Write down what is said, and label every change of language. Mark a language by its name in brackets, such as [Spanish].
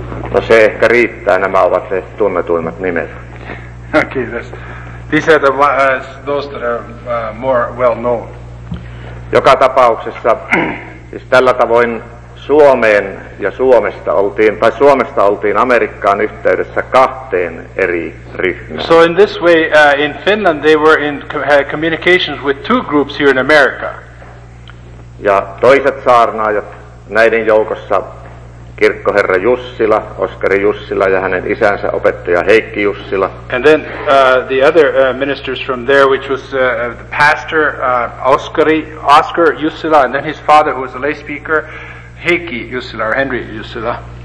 [Finnish] No se ehkä riittää, nämä ovat ne tunnetuimmat nimet. [English] Okay, these are the those that are more well known. [Finnish] Joka tapauksessa, siis tällä tavoin Suomeen ja Suomesta oltiin, tai Suomesta oltiin Amerikkaan yhteydessä kahteen eri ryhmään. [English] So in this way, in Finland they were in communications with two groups here in America. [Finnish] Ja toiset saarnaajat näiden joukossa, kirkkoherra Jussila, Oskari Jussila ja hänen isänsä opettaja Heikki Jussila. [English] And then the other ministers from there, which was the pastor Oskar Jussila, and then his father, who was a lay speaker, Heikki Jussila, or Henry Jussila.